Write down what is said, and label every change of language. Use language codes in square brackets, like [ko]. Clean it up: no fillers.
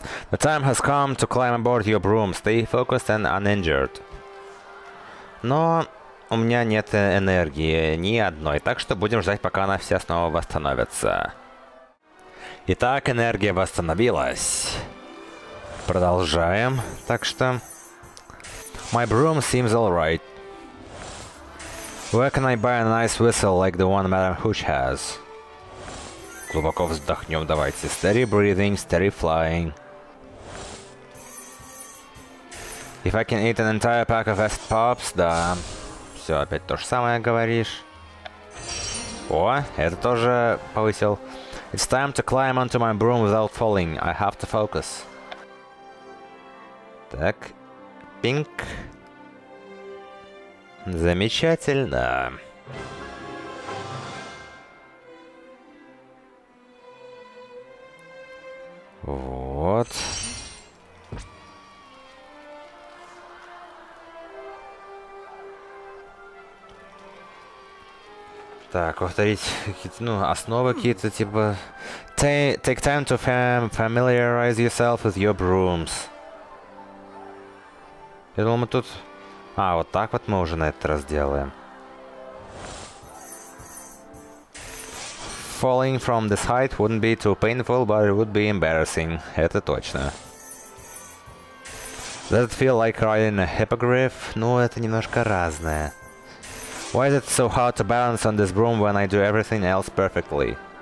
[en] The time has come to climb aboard your broom. Stay focused and uninjured. [ru] Но у меня нет энергии ни одной, так что будем ждать, пока она вся снова восстановится. Итак, энергия восстановилась. Продолжаем. Так что... [en] My broom seems alright. Where can I buy a nice whistle like the one Madam Hooch has? [ru] Глубоко вздохнем, давайте. [en] Steady breathing, steady flying. If I can eat an entire pack of acid pops, [ru] да. Все, опять то же самое говоришь. О, это тоже повысил. [en] It's time to climb onto my broom without falling. I have to focus. [ru] Так. Пинг. Замечательно. Вот. Так, повторить какие-то, ну, основы какие-то, типа... [en] Take time to familiarize yourself with your brooms. [ru] Я думал, мы тут... А, вот так вот мы уже на этот раз делаем. [en] Falling from this height wouldn't be too painful, but it would be embarrassing. [ru] Это точно. [en] Does it feel like riding a hippogriff? [ru] Ну, это немножко разное. [en] Why is it so hard to balance on this broom when I do everything else perfectly?